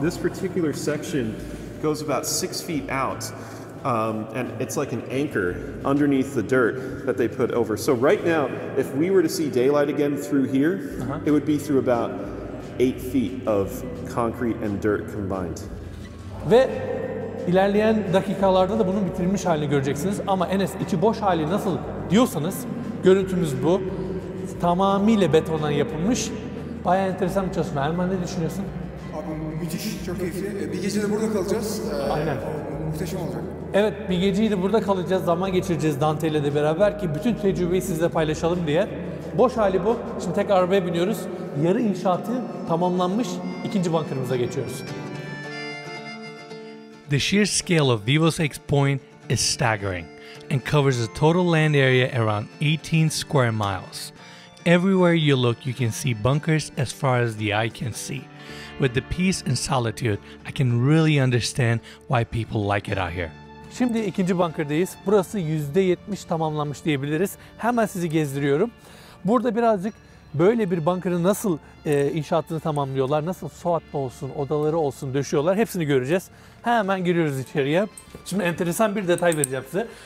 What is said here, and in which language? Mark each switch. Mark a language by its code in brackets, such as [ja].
[en] This particular section goes about 6 feet out, and it's like an anchor underneath the dirt that they put over. So right now, if we were to see daylight again through here, it would be through about 8 feet of concrete and dirt combined. [tr] Ve ilerleyen dakikalarda da bunun bitirilmiş halini göreceksiniz. Ama Enes, içi boş hali nasıl diyorsanız, görüntümüz bu. Tamamıyla betondan yapılmış. Bayağı enteresan bir çalışma. Erman, ne düşünüyorsun? Abi müthiş, çok keyifli. Bir gece de burada kalacağız. Aynen. Muhteşem olacak. Evet, bir geceyi de burada kalacağız, zaman geçireceğiz Dante ile de beraber ki bütün tecrübeyi sizle paylaşalım diye. Boş hali bu. Şimdi tek arabaya biniyoruz. Yarı inşaatı tamamlanmış ikinci bunkerımıza geçiyoruz. [en] The sheer scale of Rivos X-Point is staggering and covers a total land area around 18 square miles. Everywhere you look, you can see bunkers as far as the eye can see. With the peace and solitude, I can really understand why people like it out here. [tr] Şimdi ikinci bunkerdayız. Burası %70 tamamlanmış diyebiliriz. Hemen sizi gezdiriyorum. Burada birazcık böyle bir bunkerı nasıl inşaatını tamamlıyorlar, nasıl soatlı olsun, odaları olsun döşüyorlar, hepsini göreceğiz. Hemen giriyoruz içeriye. Şimdi enteresan bir detay vereceğim size.